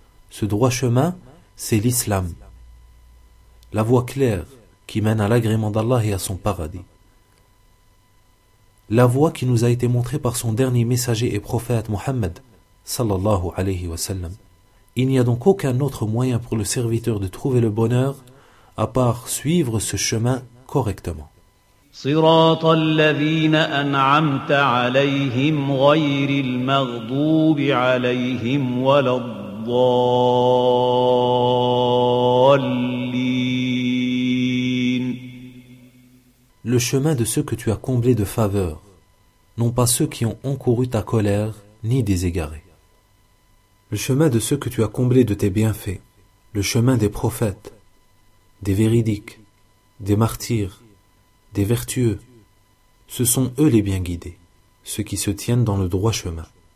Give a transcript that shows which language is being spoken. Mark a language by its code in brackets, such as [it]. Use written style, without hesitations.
[fr] Ce droit chemin, c'est l'islam. La voie claire qui mène à l'agrément d'Allah et à son paradis. La voie qui nous a été montrée par son dernier messager et prophète Muhammad, sallallahu alayhi wa sallam. Il n'y a donc aucun autre moyen pour le serviteur de trouver le bonheur à part suivre ce chemin correctement. [ar] صراط الذين أنعمت عليهم غير المغضوب عليهم ولا الضالين. [fr] Le chemin de ceux que tu as comblés de faveur, non pas ceux qui ont encouru ta colère ni des égarés. Le chemin de ceux que tu as comblés de tes bienfaits, le chemin des prophètes, des véridiques, des martyrs, des vertueux, ce sont eux les bien guidés, ceux qui se tiennent dans le droit chemin.